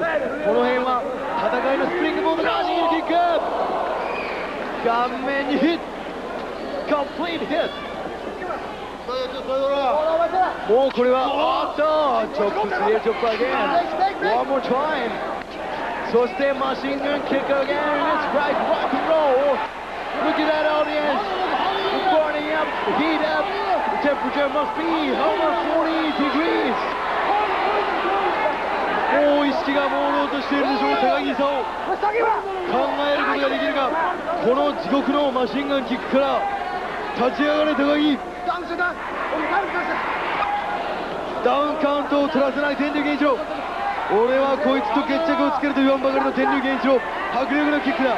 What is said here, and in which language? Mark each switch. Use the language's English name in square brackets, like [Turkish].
[Japanese] この辺は戦いのスプリングボードラージングキック、顔面にヒット、コンプリートヒット、もうこれはおっとチョップスリアチョップアゲン、ワンモアトライム、そしてマシンガンキックアゲン、レッツライフ、ロックンロール [English] Look at that audience! Burning up, heat up! Temperature must be over 40 degrees! [Japanese] もう意識が朦朧としているでしょう、高木伊佐夫。考えることができるか、この地獄のマシンガンキックから立ち上がれ高木。ダウンカウントを取らせない天竜拳一郎、俺はこいつと決着をつけると言わんばかりの天竜拳一郎、迫力のキックだ。